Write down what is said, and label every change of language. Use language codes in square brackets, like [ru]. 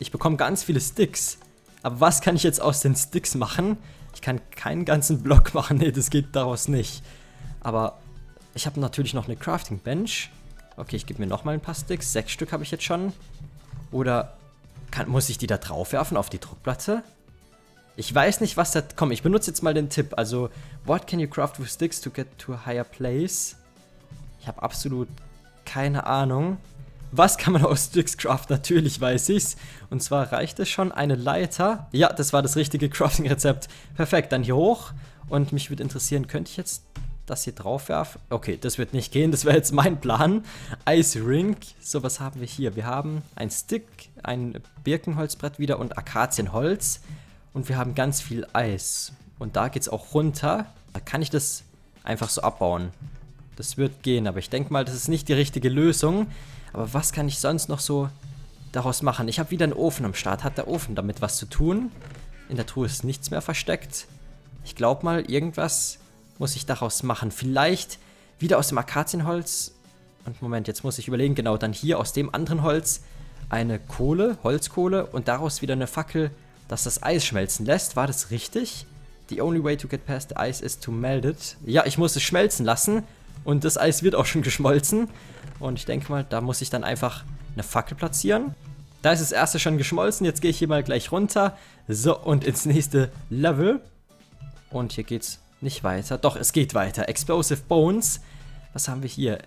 [de] Ich bekomme ganz viele Sticks. Aber was kann ich jetzt aus den Sticks machen? Ich kann keinen ganzen Block machen. Nee, das geht daraus nicht. Aber ich habe natürlich noch eine Crafting Bench. Okay, ich gebe mir nochmal ein paar Sticks. 6 Stück habe ich jetzt schon. Oder muss ich die da drauf werfen auf die Druckplatte? Ich weiß nicht, was da... Komm, ich benutze jetzt mal den Tipp. [en] Also, what can you craft with sticks to get to a higher place? [de] Ich habe absolut keine Ahnung. Was kann man aus Sticks craften? Natürlich weiß ich's. Und zwar reicht es schon eine Leiter. Ja, das war das richtige Crafting-Rezept. Perfekt, dann hier hoch. Und mich würde interessieren, könnte ich jetzt das hier drauf werfen? Okay, das wird nicht gehen. Das wäre jetzt mein Plan. Ice Ring. So, was haben wir hier? Wir haben ein Stick, ein Birkenholzbrett wieder und Akazienholz. Und wir haben ganz viel Eis. Und da geht's auch runter. Da kann ich das einfach so abbauen. Das wird gehen, aber ich denke mal, das ist nicht die richtige Lösung. Aber was kann ich sonst noch so daraus machen? Ich habe wieder einen Ofen am Start. Hat der Ofen damit was zu tun? In der Truhe ist nichts mehr versteckt. Ich glaube mal, irgendwas muss ich daraus machen. Vielleicht wieder aus dem Akazienholz. Und Moment, jetzt muss ich überlegen. Genau, dann hier aus dem anderen Holz eine Kohle, Holzkohle. Und daraus wieder eine Fackel, dass das Eis schmelzen lässt. War das richtig? [en] The only way to get past the ice is to melt it. [de] Ja, ich muss es schmelzen lassen. Und das Eis wird auch schon geschmolzen. Und ich denke mal, da muss ich dann einfach eine Fackel platzieren. Da ist das erste schon geschmolzen. Jetzt gehe ich hier mal gleich runter. So, und ins nächste Level. Und hier geht's nicht weiter. Doch, es geht weiter. Explosive Bones. Was haben wir hier?